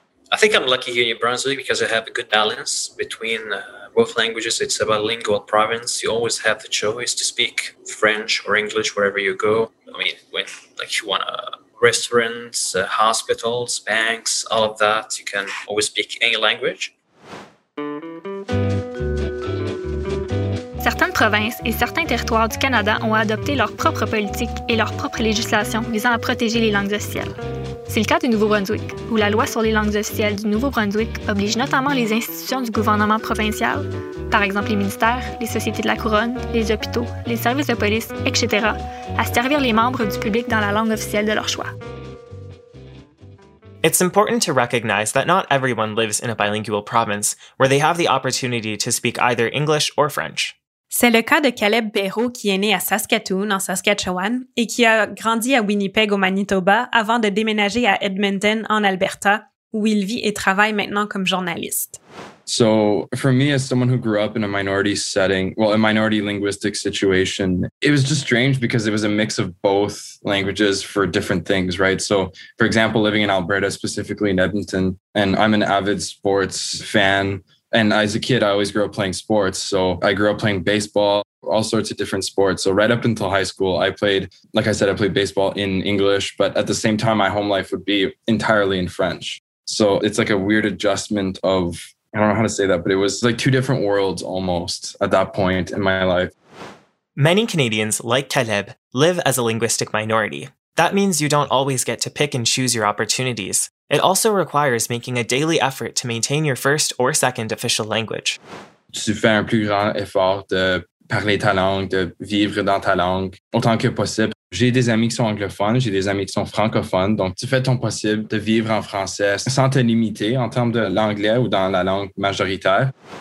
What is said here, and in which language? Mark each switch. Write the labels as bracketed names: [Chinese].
[English] I think I'm lucky here in New Brunswick because I have a good balance between both languages. It's a bilingual province. You always have the choice to speak French or English wherever you go. I mean, when like you want a restaurants, hospitals, banks, all of that, you can always speak any language. [French] Certaines provinces et certains territoires du Canada ont adopté leur propre politique et leur propre législation visant à protéger les langues officielles. C'est le cas du Nouveau-Brunswick, où la loi sur les langues officielles du Nouveau-Brunswick oblige notamment les institutions du gouvernement provincial, par exemple les ministères, les sociétés de la couronne, les hôpitaux, les services de police, etc., à servir les membres du public dans la langue officielle de leur choix. [English] It's important to recognize that not everyone lives in a bilingual province where they have the opportunity to speak either English or French. [French] C'est le cas de Caleb Perrault qui est né à Saskatoon, en Saskatchewan, et qui a grandi à Winnipeg, au Manitoba, avant de déménager à Edmonton, en Alberta, où il vit et travaille maintenant comme journaliste. [English] So, for me, as someone who grew up in a minority setting, well, a minority linguistic situation, it was just strange because it was a mix of both languages for different things, right? So, for example, living in Alberta, specifically in Edmonton, and I'm an avid sports fan, and as a kid, I always grew up playing sports. So I grew up playing baseball, all sorts of different sports. So right up until high school, I played, like I said, I played baseball in English, but at the same time, my home life would be entirely in French. So it's like a weird adjustment of, I don't know how to say that, but it was like 2 different worlds almost at that point in my life. Many Canadians, like Caleb, live as a linguistic minority. That means you don't always get to pick and choose your opportunities. It also requires making a daily effort to maintain your first or second official language. [French] Tu fais un plus grand effort de parler ta langue, de vivre dans ta langue autant que possible. J'ai des amis qui sont anglophones, j'ai des amis qui sont francophones, donc tu fais ton possible de vivre en français sans te limiter en termes de l'anglais ou dans la langue majoritaire.